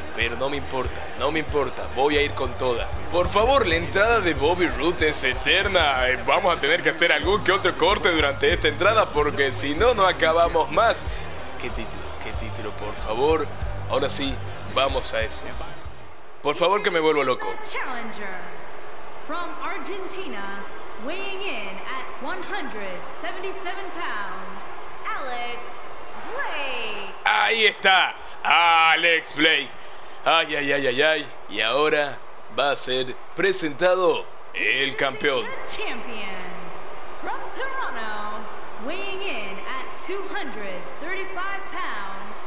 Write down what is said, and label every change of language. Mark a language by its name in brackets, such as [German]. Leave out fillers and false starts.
[Spanish] Pero no me importa, no me importa, voy a ir con toda. Por favor, la entrada de Bobby Roode es eterna. Vamos a tener que hacer algún que otro corte durante esta entrada, porque si no, no acabamos más. Qué título, por favor. Ahora sí, vamos a ese. Por favor, que me vuelvo loco. [English] Challenger from Argentina, weighing in at 177 pounds, Alex Blake. [Spanish] Ahí está, Alex Blake. Ay, ay, ay, ay, ay. Y ahora va a ser presentado el campeón. [English] Champion from Toronto, weighing in at 235 pounds.